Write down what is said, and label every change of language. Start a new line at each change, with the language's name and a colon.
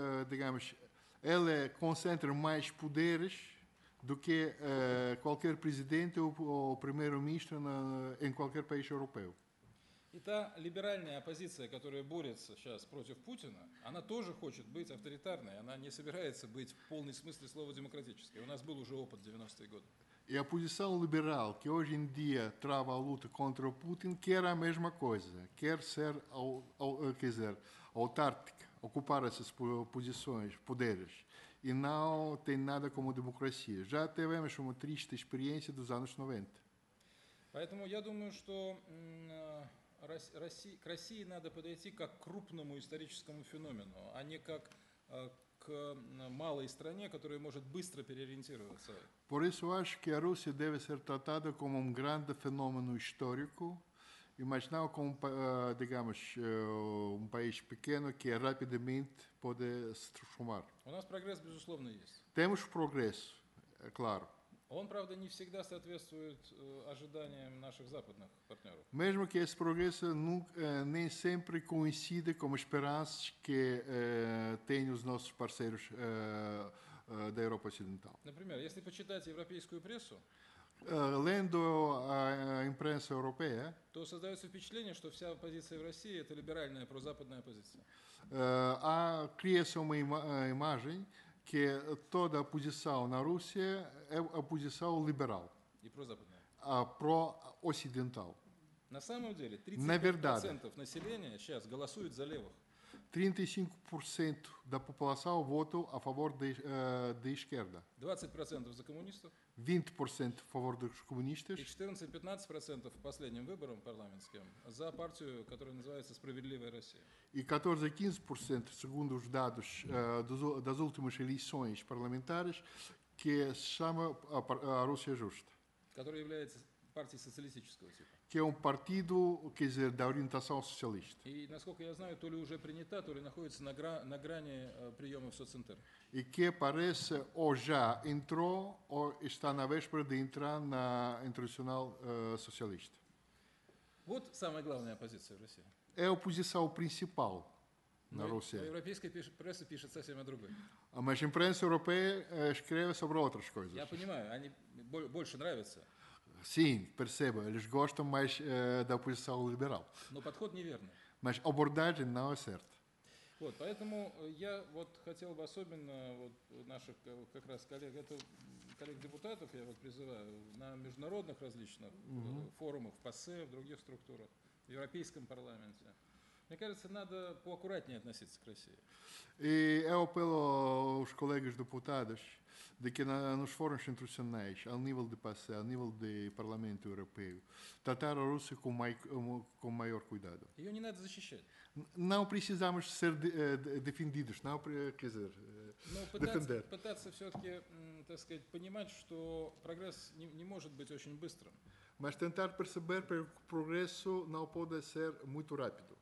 Portuguese: Digamos, ele concentra mais poderes do que qualquer presidente ou primeiro-ministro em qualquer país europeu.
Russian: И та либеральная оппозиция, которая борется сейчас против Путина, она тоже хочет быть авторитарной, она не собирается быть в полном смысле слова демократической. У нас был уже опыт 90-е годы. И оппозиция либерал,
Portuguese: que hoje em dia trava a luta contra Putin, quer a mesma coisa, quer ser, quer dizer, autárquica, ocupar essas posições, poderes, e não tem nada como democracia. Já tivemos uma triste experiência dos anos 90.
Russian: Поэтому я думаю, что к России надо подойти как к крупному историческому феномену, а не как к малой стране, которая может быстро переориентироваться.
Portuguese: Por isso acho que a Rússia deve ser tratada como grande fenômeno histórico, e mas não como, digamos, país pequeno que rapidamente pode se transformar.
Russian: У нас прогресс, безусловно, есть.
Portuguese: Temos progresso, é claro.
Russian: Он, правда, не всегда соответствует ожиданиям наших западных партнеров.
Portuguese: Mesmo que esse progresso nem sempre coincide com as esperanças que têm os nossos parceiros da Europa Ocidental.
Russian: Например, если почитать европейскую прессу,
Portuguese: lendo a imprensa europeia,
Russian: то создается впечатление, что вся оппозиция в России – это либеральная, прозападная оппозиция.
Portuguese: А cria-se uma imagem que toda a posição na Rússia é a posição liberal. E pró-западная. A pró-ocidental.
Russian: На самом деле, 35% населения сейчас голосуют за левых.
Portuguese: 35% da população vota a favor de esquerda.
Russian: 20% за коммунистов.
Portuguese: 20% a favor dos comunistas.
Russian: И 14-15% в последнем выборе парламентском за партию, которая называется «Справедливая Россия».
Portuguese: И 14-15%, segundo os dados das últimas eleições parlamentares, que se chama a Rússia Justa.
Russian: Которая является партией социалистического типа.
Portuguese: Que é partido, quer dizer, da orientação socialista.
Russian: И, насколько я знаю, то ли уже принята, то ли находится на грани приема в соцентр.
Portuguese: И que parece ou já entrou ou está на véspera de entrar na internacional socialista.
Russian: Вот самая главная оппозиция в России.
Portuguese: É a oposição principal na Rússia.
Russian: Но европейская пресса пишет совсем о другой.
Portuguese: Mas a imprensa europeia escreve sobre outras coisas.
Russian: Я понимаю, они больше нравятся.
Portuguese: Sim, percebo, eles gostam mais da posição liberal.
Russian: Но подход неверный.
Portuguese: Mas abordagem não é certa.
Russian: Вот, поэтому я вот хотел бы особенно вот наших как раз коллег, это коллег-депутатов, я вот призываю на международных различных форумах, в ПАСЕ, в других структурах, в Европейском парламенте. Мне кажется, надо поаккуратнее относиться к России.
Portuguese: И eu apelo aos colegas deputados de que nos fóruns internacionais, ao nível de PASE, ao nível de Parlamento Europeu, tratar a Rússia com maior cuidado.
Russian: Ее не надо защищать.
Portuguese: Não precisamos ser defendidos, não, quer dizer, defender.
Russian: Пытаться все-таки, так сказать, понимать, что прогресс не может быть очень быстрым.
Portuguese: Mas tentar perceber que o progresso não pode ser muito rápido.